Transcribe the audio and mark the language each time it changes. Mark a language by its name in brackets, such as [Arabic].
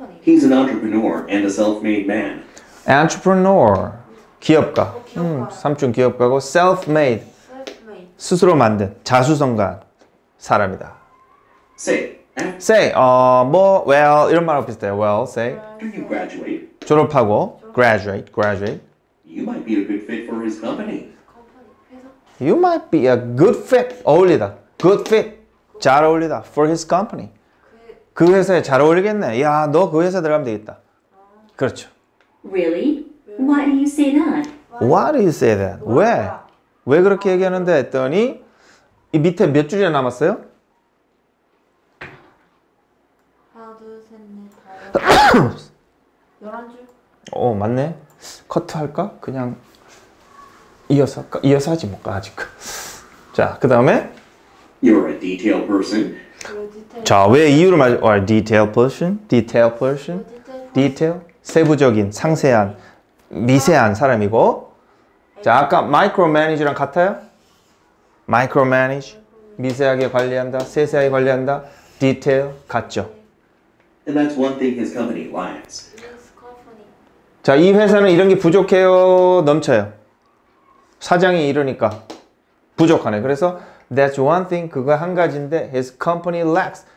[English] He's an entrepreneur and a self-made man. Entrepreneur. 기업가. [Korean] 기업가. 삼촌 기업가고 self-made. [English] Self-made. [Korean] 스스로 만든 자수성가한 사람이다. [English] Say. Say. [Korean] 어, 뭐, well 이런 말하고 비슷해요. [English] Well, say. Do you graduate? 졸업하고. Graduate. Graduate. You might be a good fit for his company. You might be a good fit. 어울리다. Good fit. [Korean] 잘 어울리다. [English] For his company. [Korean] 그 회사에 잘 어울리겠네. 야, 너 그 회사 들어가면 되겠다. 그렇죠. [English] Really? Why do you say that? Why do you say that? 왜? [Korean] 왜 그렇게 얘기하는데 했더니 이 밑에 몇 줄이나 남았어요? 하나, 둘, 셋, 넷, 다섯, 11줄. 오, 맞네. 커트할까? 그냥 이어서 할까? 이어서 하지 뭘까 아직. 자, 그 다음에 [English] You're a detail person. [Korean] 자, 왜 이유를 말해? [English] Or detail person, detail person, detail [Korean] 세부적인, 상세한, 미세한 사람이고. 자, 아까 micromanage랑 같아요? Micromanage, 미세하게 관리한다, 세세하게 관리한다, detail 같죠? [English] And that's one thing his company lacks. [Korean] 자, 이 회사는 이런 게 부족해요, 넘쳐요. 사장이 이러니까 부족하네. 그래서 [English] that's one thing, [Korean] 그거 한 가지인데 [English] his company lacks.